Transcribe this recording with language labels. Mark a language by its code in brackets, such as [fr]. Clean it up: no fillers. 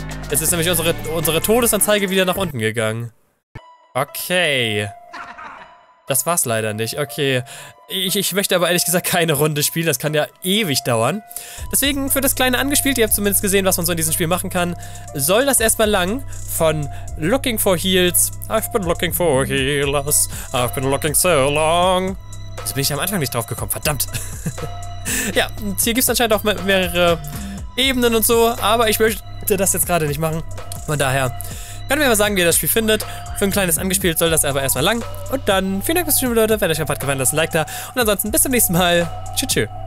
[de] Jetzt ist nämlich unsere Todesanzeige wieder nach unten gegangen. Okay. Das war's leider nicht. Okay. Ich möchte aber ehrlich gesagt keine Runde spielen. Das kann ja ewig dauern. Deswegen für das kleine Angespielt, ihr habt zumindest gesehen, was man so in diesem Spiel machen kann, soll das erstmal lang von Looking for Heals. [en] I've been looking for healers. I've been looking so long. [de] Jetzt bin ich am Anfang nicht drauf gekommen. Verdammt. Ja, und hier gibt's anscheinend auch mehrere Ebenen und so. Aber ich möchte das jetzt gerade nicht machen. Von daher können wir mal sagen, wie ihr das Spiel findet. Für ein kleines Angespielt soll das aber erstmal lang. Und dann vielen Dank fürs Zuschauen, Leute. Wenn euch gefallen hat, lasst ein Like da. Und ansonsten bis zum nächsten Mal. Tschüss, tschüss.